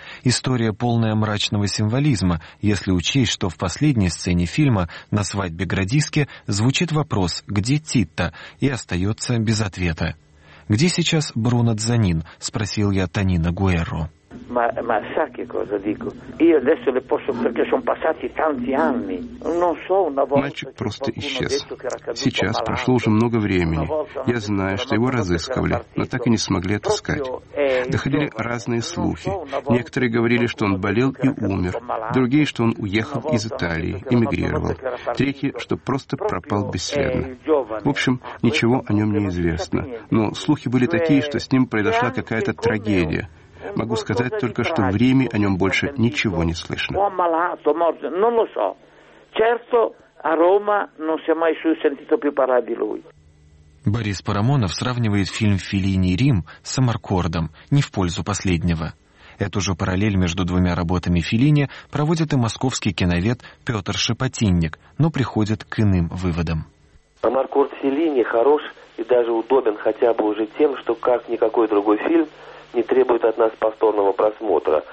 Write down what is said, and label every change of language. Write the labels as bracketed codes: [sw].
[ru] История, полная мрачного символизма, если учесть, что в последней сцене фильма на свадьбе Градиски звучит вопрос «Где Титта?» и остается без ответа. «Где сейчас Бруно Дзанин?» – спросил я Танино Гуэрро. [it] Ma sa che cosa dico? Io adesso le posso perché sono passati tanti anni. Non so una volta. [ru] Мальчик просто исчез. Сейчас прошло уже много времени. Я знаю, что его разыскивали, но так и не смогли отыскать. Доходили разные слухи. Некоторые говорили, что он болел и умер. Другие, что он уехал из Италии, эмигрировал. Третьи, что просто пропал бесследно. В общем, ничего о нем не известно. Но слухи были такие, что с ним произошла какая-то трагедия. Могу сказать только, что в Риме о нем больше ничего не слышно. Он [it] malato, morto, non lo so. Certo, a Roma non si è mai sentito più parlare di lui. [ru] Борис Парамонов сравнивает фильм «Феллини Рим» с Маркордом, не в пользу последнего. Эту же параллель между двумя работами Феллини проводит и московский киновед Петр Шепотинник, но приходит к иным выводам. Маркорд Феллини хорош и даже удобен хотя бы уже тем, что как никакой другой фильм не требует от нас повторного просмотра.